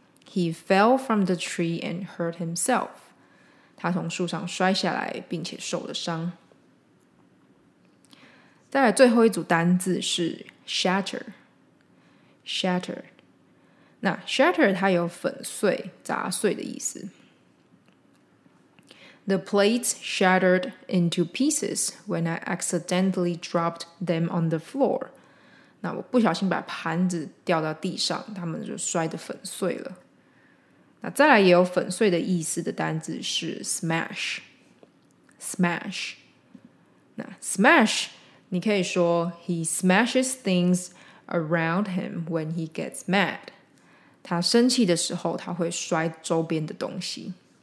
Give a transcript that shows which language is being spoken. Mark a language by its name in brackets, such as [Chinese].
[English] He fell from the tree and hurt himself. [Chinese] 他从树上摔下来并且受了伤。再来最后一组单字是 shatter。那 shatter 它有粉碎、砸碎的意思。 [English] The plates shattered into pieces when I accidentally dropped them on the floor. [Chinese] 那我不小心把盘子掉到地上，它们就摔得粉碎了。那再来也有粉碎的意思的单字是 smash。那 smash 你可以说 [English] he smashes things around him when he gets mad， [Chinese] 他生气的时候他会摔周边的东西。